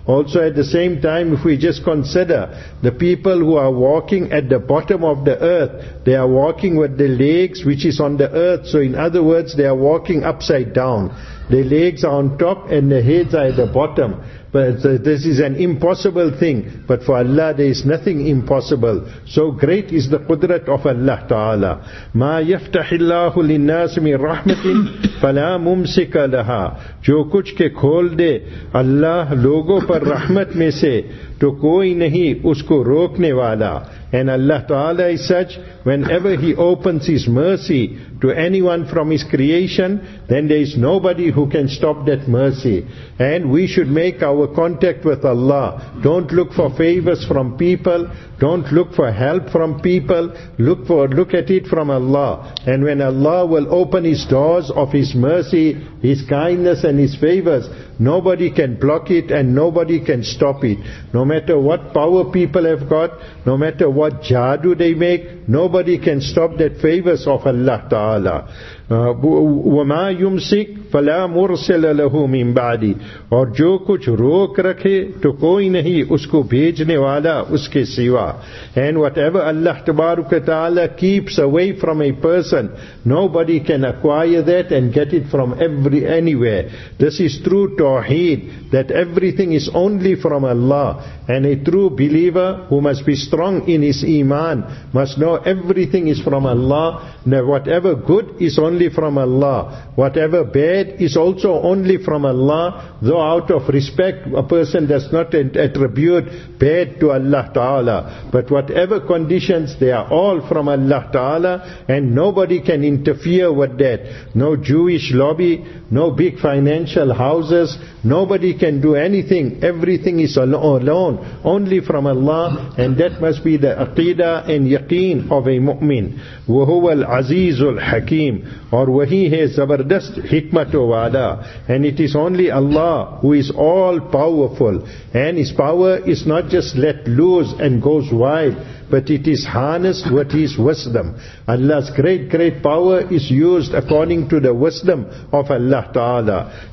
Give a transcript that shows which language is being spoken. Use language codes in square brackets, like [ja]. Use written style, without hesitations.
[en] Also at the same time, if we just consider the people who are walking at the bottom of the earth, they are walking with the legs which is on the earth. So in other words, they are walking upside down. The legs are on top and the heads are at the bottom. But this is an impossible thing. But for Allah, there is nothing impossible. So great is the qudrat of Allah Ta'ala. [ar] مَا يَفْتَحِ اللَّهُ لِلنَّاسِ مِنْ رَحْمَةٍ فَلَا مُمْسِكَ لَهَا [ur] جو کچھ کے کھول دے اللہ لوگوں پر رحمت میں سے تو کوئی نہیں اس کو روکنے والا. [en] And Allah Ta'ala is such, whenever He opens His mercy to anyone from His creation, then there is nobody who can stop that mercy. And we should make our contact with Allah. Don't look for favors from people. Don't look for help from people. Look at it from Allah. And when Allah will open His doors of His mercy, His kindness and His favors, nobody can block it and nobody can stop it. No matter what power people have got, no matter what jadu they make, nobody can stop that favors of Allah Ta'ala. [ar] وَمَا يُمْسِكْ فَلَا مُرْسِلَ لَهُ مِنْ بَعْدِ [ur] اور جو کچھ روک رکھے تو کوئی نہیں اس کو بھیجنے والا اس کے سوا. [en] And whatever Allah تبارک تعالی keeps away from a person, nobody can acquire that and get it from anywhere. This is true tawheed, that everything is only from Allah. And a true believer who must be strong in his iman must know everything is from Allah. Now whatever good is only from Allah. Whatever bad is also only from Allah. Though out of respect, a person does not attribute bad to Allah Ta'ala. But whatever conditions, they are all from Allah Ta'ala, and nobody can interfere with that. No Jewish lobby, no big financial houses, nobody can do anything. Everything is alone, only from Allah, and that must be the aqidah and yaqeen of a mu'min. [ar] وَهُوَ الْعَزِيزُ الْحَكِيمُ [ur] اور وہی ہے زبردست حکمت و والا. [en] And it is only Allah who is all powerful, and His power is not just let loose and goes wild, but it is harnessed with His wisdom. Allah's great, great power is used according to the wisdom of Allah Ta'ala.